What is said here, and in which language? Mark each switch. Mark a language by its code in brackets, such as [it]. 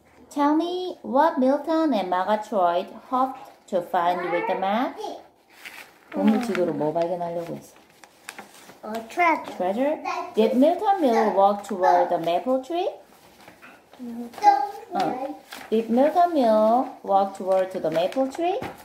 [en] Tell me what Milton and Murgatroyd hope to find with the map. [ko] 오늘 지도로 뭐 발견하려고 했어? [en] A treasure. Treasure? Did Milton Mill walk toward the maple tree? Did Milton Mill walk toward the maple tree?